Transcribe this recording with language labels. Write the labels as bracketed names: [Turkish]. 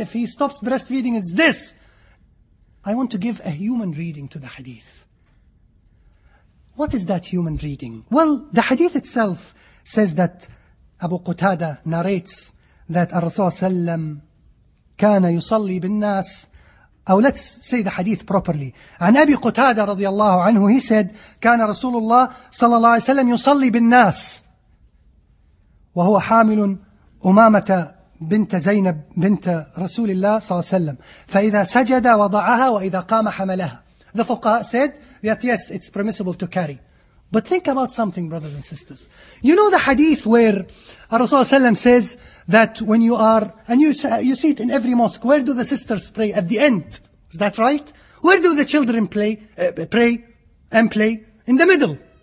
[English] If he stops breastfeeding, it's this. I want to give a human reading to the hadith. What is that human reading? Well, the hadith itself says that Abu Qutada narrates that Rasulullah [Arabic] كان يصلي بالناس, [English] or let's say the hadith properly. [Arabic] عن أبي قتادة رضي الله عنه, [English] he said, [Arabic] كان رسول الله صلى الله عليه وسلم يصلي بالناس وهو حامل أمامة بنت زينب بنت رسول الله صلى الله عليه وسلم فإذا سجد وضعها وإذا قام حملها. [English] The fuqaha said that yes, it's permissible to carry. But think about something, brothers and sisters. You know the hadith where Rasulullah says that when you are, and you see it in every mosque, where do the sisters pray? At the end. Is that right? Where do the children pray? In the middle.